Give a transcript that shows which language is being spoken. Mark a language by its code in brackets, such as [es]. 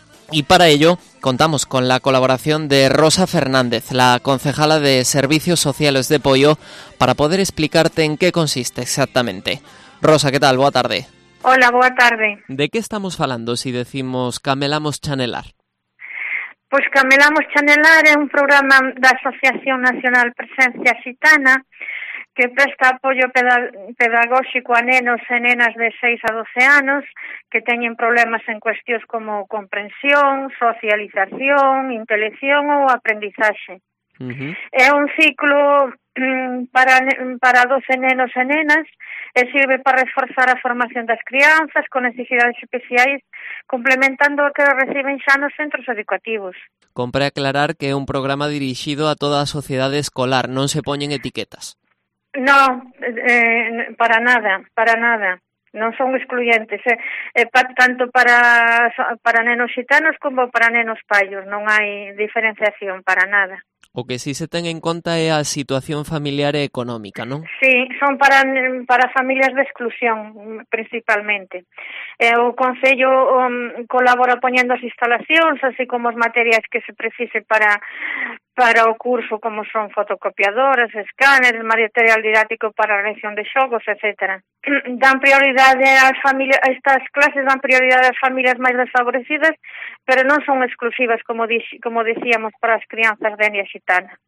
[es] Y para ello, contamos con la colaboración de Rosa Fernández, la concejala de Servicios Sociales de Poio, para poder explicarte en qué consiste exactamente. Rosa, ¿qué tal? [gl] Boa tarde. Hola, boa tarde. [es] ¿De qué estamos hablando si decimos Camelamos Chanelar? [gl] Pues Camelamos Chanelar es un programa de Asociación Nacional Presencia Gitana, que presta apoio pedagóxico a nenos e nenas de 6 a 12 anos que teñen problemas en cuestións como comprensión, socialización, intelección ou aprendizaxe. Uh-huh. É un ciclo para 12 nenos e nenas e sirve para reforzar a formación das crianzas con necesidades especiais, complementando o que reciben xa nos centros educativos. Compre aclarar que é un programa dirixido a toda a sociedade escolar, non se poñen etiquetas. [es] No, para nada. [gl] Non son excluyentes. Tanto para nenos xitanos como para nenos paios. Non hai diferenciación, para nada. O que sí se ten en conta é a situación familiar e económica, non? Sí, son para familias de exclusión, principalmente. O Concello colabora poñendo as instalacións, así como os materiais que se precise para o curso, como son fotocopiadoras, escáneres, material didáctico para a lección de xogos, etc. Dan prioridade ás familias, estas clases dan prioridade ás familias máis desfavorecidas, pero non son exclusivas, como decíamos, para as crianzas de etnia xitana.